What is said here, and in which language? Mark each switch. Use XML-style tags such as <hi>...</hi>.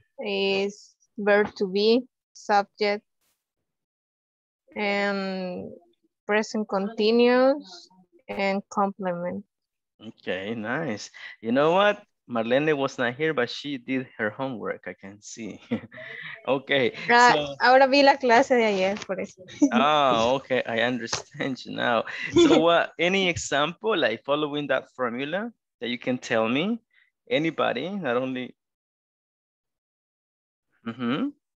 <en>is verb to be, subject, and present continuous, and complement. Okay, nice. You know what? Marlene was not here, but she did her homework, I can see. Okay.</en> <es>Ahora vi la clase de ayer, por eso.</es> <en>Oh, okay. I understand you now. So what, any example, like following that formula that you can tell me? Anybody, not only? Mm-hmm.</en>